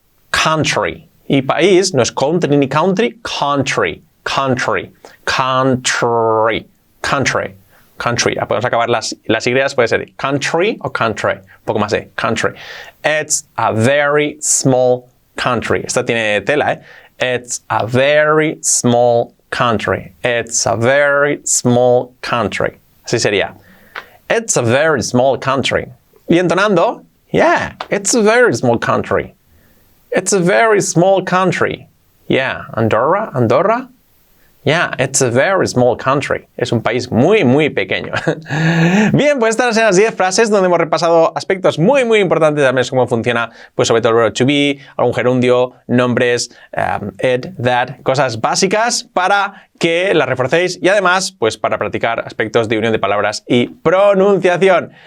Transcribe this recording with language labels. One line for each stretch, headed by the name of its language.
English: country,
Spanish: y país no es
English: country ni country, country, country, country, country, country,
Spanish: podemos acabar las ideas, puede ser
English: country o country,
Spanish: un poco más de
English: country, it's a very small country,
Spanish: esta tiene tela,
English: it's a very small country. It's a very small country.
Spanish: Así sería.
English: It's a very small country.
Spanish: Y entonando,
English: yeah, it's a very small country. It's a very small country. Yeah, Andorra, Andorra. Yeah, it's a very small country.
Spanish: Es un país muy, muy pequeño. Bien, pues estas son las 10 frases donde hemos repasado aspectos muy, muy importantes de cómo funciona, pues sobre todo el verbo to be, algún gerundio, nombres, it, that, cosas básicas para que las reforcéis y además, pues para practicar aspectos de unión de palabras y pronunciación.